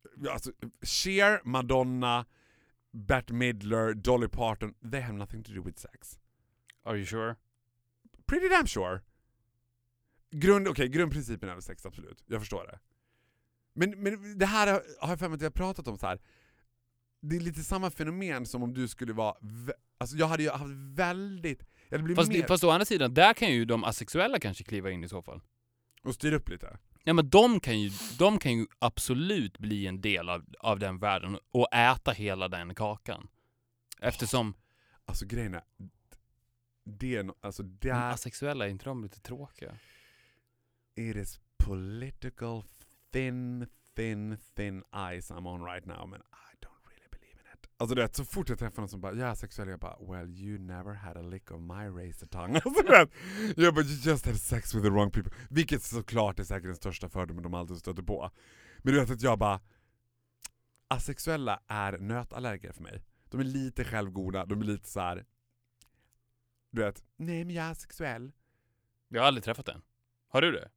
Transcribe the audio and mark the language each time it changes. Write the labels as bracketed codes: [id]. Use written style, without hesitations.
[en] Alltså, Cher, Madonna, Bette Midler, Dolly Parton, they have nothing to do with sex. Are you sure? Pretty damn sure. [sv] Grundprincipen är sex, absolut. Jag förstår det. Men det här har jag för mig att jag har pratat om så här. Det är lite samma fenomen som om du skulle vara... Alltså jag hade ju haft väldigt... Jag hade blivit fast, mer. Fast å andra sidan, där kan ju de asexuella kanske kliva in i så fall. Och styra upp lite. Ja, men de kan ju absolut bli en del av den världen och äta hela den kakan. Eftersom... Oh, alltså grejen är... Det är alltså där... Asexuella, är inte de lite tråkiga? [en] It is political thin ice I'm on right now, man. I don't really believe in it. [sv] Alltså det är så fort jag träffar någon som bara, jag är sexuell, jag bara, [en] well, you never had a lick of my razor tongue. [sv] Alltså det, jag bara, [en] you just had sex with the wrong people. [sv] Vilket såklart är säkert den största fördomen de alltid stöter på. Men du vet att jag bara, asexuella är nötallergiker för mig. De är lite självgoda, de är lite så här. Du vet, nej men jag är sexuell. Jag har aldrig träffat den. Har du det?